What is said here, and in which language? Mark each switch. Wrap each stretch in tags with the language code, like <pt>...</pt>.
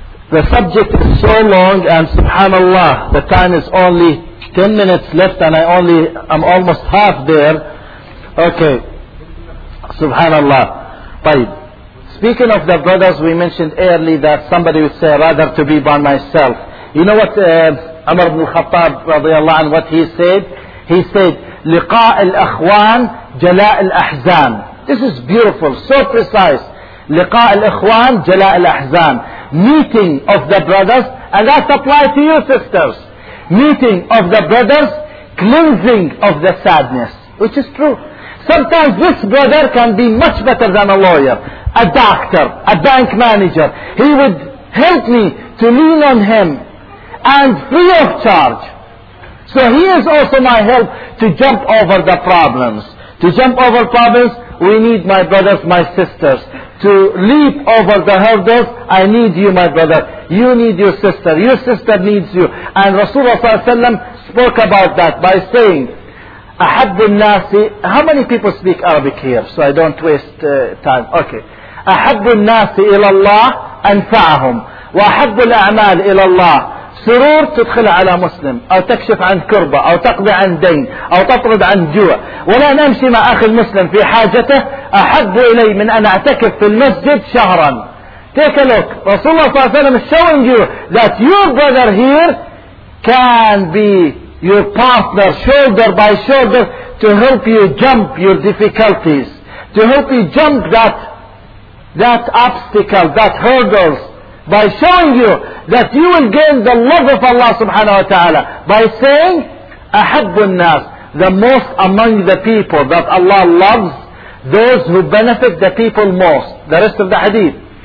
<en>The subject is so long, and Subhanallah, the time is only 10 minutes left, and I'm almost half there. Okay. Subhanallah.</en> <ar>طيب.</ar> <en>Speaking of the brothers, we mentioned earlier that somebody would say, rather to be by myself. You know what Umar ibn al-Khattab, radiallahu anhu, what he said?</en> <ar>He said, لِقَاءِ الْأَخْوَانِ جَلَاءِ الْأَحْزَانِ.</ar> <en>This is beautiful, so precise.</en> <ar>لِقَاءِ الْأَخْوَانِ جَلَاءِ الْأَحْزَانِ.</ar> <en>Meeting of the brothers, and that applies to you, sisters. Meeting of the brothers, cleansing of the sadness, which is true. Sometimes this brother can be much better than a lawyer, a doctor, a bank manager. He would help me to lean on him and free of charge. So he is also my help to jump over the problems. To jump over problems, we need, my brothers, my sisters. To leap over the hurdles, I need you, my brother. You need your sister. Your sister needs you. And Rasulullah ﷺ spoke about that by saying,</en> <ar>أحب الناس.</ar> <en>How many people speak Arabic here? So I don't waste time. Okay.</en> <ar>أحب الناس إلى الله أنفعهم وأحب الأعمال إلى الله سرور تدخل على مسلم أو تكشف عن كربة أو تقضي عن دين أو تطرد عن جوع. ولا نمشي مع أخي المسلم في حاجته أحب إلي من أن أعتكف في المسجد شهرا.</ar> <en>Take a look.</en> <ar>رسول الله صلى الله عليه وسلم</ar> <en>is showing you that your brother here can be your partner shoulder by shoulder to help you jump your difficulties, to help you jump that obstacle, that hurdles, by showing you that you will gain the love of Allah subhanahu wa ta'ala by saying,</en> <ar>أَحَبُّ النَّاسِ,</ar> <en>the most among the people that Allah loves, those who benefit the people most. The rest of the hadith.</en>